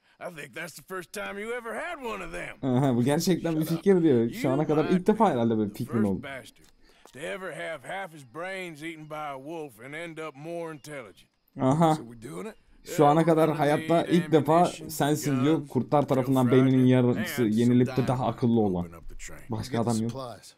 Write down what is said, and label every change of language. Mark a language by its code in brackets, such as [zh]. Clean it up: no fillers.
[en] I think that's the first time you ever had one of them. [tr] Bu gerçekten bir fikir diyor. Şu ana kadar ilk defa herhalde böyle pikmin oldu. [en] To ever have half his brains eaten by a wolf and end up more intelligent. Aha. [tr] Şu ana kadar hayatta ilk defa sensin diyor. Kurtlar tarafından beyninin yarısı yenilip de daha akıllı olan. Başka adam yok.